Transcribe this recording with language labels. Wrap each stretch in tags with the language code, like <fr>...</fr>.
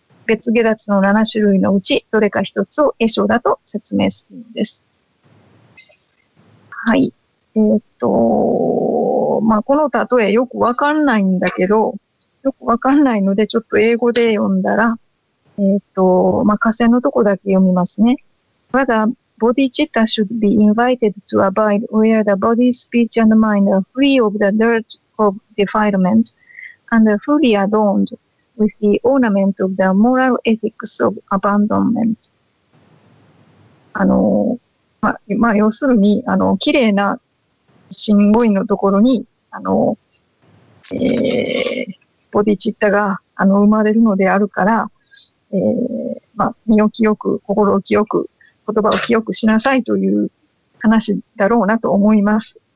<ja>別解脱の7種類のうち、どれか一つを絵書だと説明するのです。はい。まあ、この例えよくわかんないんだけど、よくわかんないので、ちょっと英語で読んだら、まあ、下線のとこだけ読みますね。</ja> <en>Rather, bodhicitta should be invited to abide where the body, speech and mind are free of the dirt of defilement and fully adorned with the ornament of the moral ethics of abandonment.</en> <ja>まあ、要するに、綺麗な神語彙のところに、ボディチッタが、生まれるのであるから、まあ、身を清く、心を清く、言葉を清くしなさいという話だろうなと思います。</ja>